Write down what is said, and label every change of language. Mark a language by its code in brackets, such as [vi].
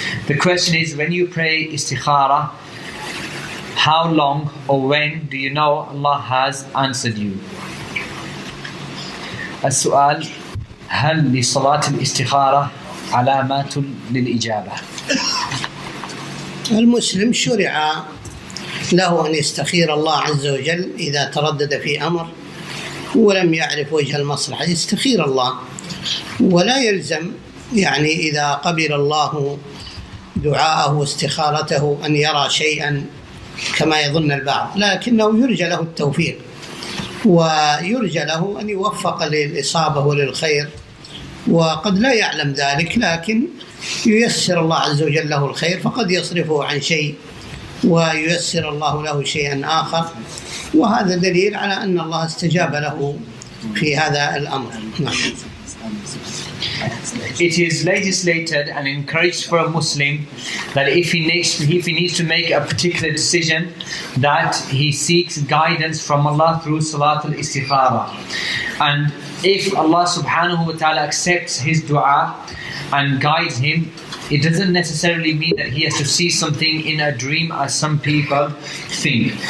[en] The question is, when you pray istikhara, how long or when do you know Allah has answered you? [ar] As-su'al, hal li salat al-istikhara علامات للإجابة. المسلم شرع له أن يستخير الله عز وجل إذا تردد في أمر ولم يعرف وجه المصلحة، يستخير الله. ولا يلزم يعني إذا قبل الله دعاءه واستخارته أن يرى شيئا كما يظن البعض، لكنه يرجى له التوفيق ويرجى له أن يوفق للإصابة وللخير، وقد لا يعلم ذلك لكن ييسر الله عز وجل له الخير، فقد يصرفه عن شيء وييسر الله له شيئا آخر، وهذا دليل على أن الله استجاب له في هذا الأمر. [en] It is legislated and encouraged for a Muslim that if he needs to make a particular decision, that he seeks guidance from Allah through Salat al-Istikhara. And if Allah subhanahu wa ta'ala accepts his dua and guides him, it doesn't necessarily mean that he has to see something in a dream as some people think.